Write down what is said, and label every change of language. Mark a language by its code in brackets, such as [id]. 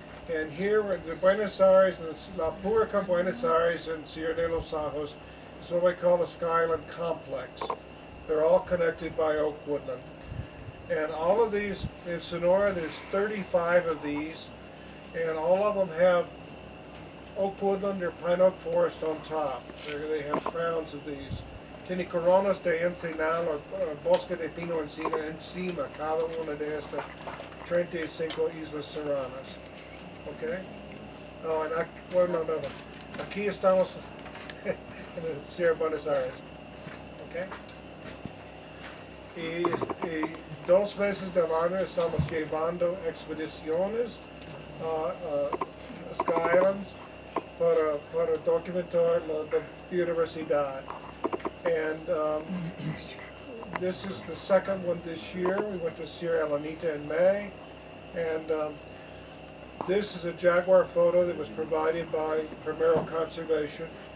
[en] And here are the Buenos Aires and La Purica Buenos Aires and Sierra de los Ajos is what we call a sky island complex. They're all connected by oak woodland. And all of these, in Sonora, there's 35 of these, and all of them have oak woodland or pine oak forest on top. They have crowns of these. [es] Tiene coronas de encinal or bosque de pino encina encima, cada una de estas 35 islas serranas. [en] Okay? Oh, and another. [es] Aquí estamos en [en] the Sierra Buenos Aires. Okay? [es] Y dos meses del año estamos llevando expediciones a Sky Islands. Para documentar the universidad. [en] And this is the second one this year. We went to Sierra Elanita in May. And this is a jaguar photo that was provided by Primero Conservation.